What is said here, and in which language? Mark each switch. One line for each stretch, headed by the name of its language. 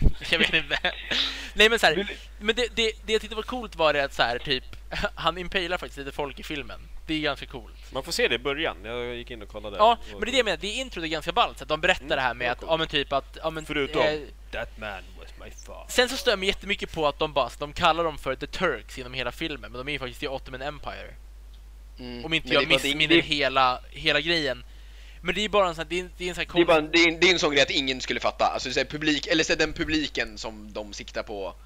Swedish: Jag vet inte. Nej, men så här, men det jag tyckte var coolt var det att så här, typ han impalar faktiskt lite folk i filmen. Det är ganska coolt. Man får se det i början. Jag gick in och kollade. Ja, men det är det jag menar. Det intro är ganska ballt. De berättar det här med att, om en typ att, om en, förutom
English: that man was my father.
Swedish: Sen så stör jag mig jättemycket på att de kallar dem för The Turks inom hela filmen. Men de är ju faktiskt The Ottoman Empire. Om inte jag missminner hela grejen. Men det är bara en sån här, det är en sån här
English: cool.
Swedish: Det är en sån grej att ingen skulle fatta. Alltså det är publik, eller så är den publiken som de siktar på.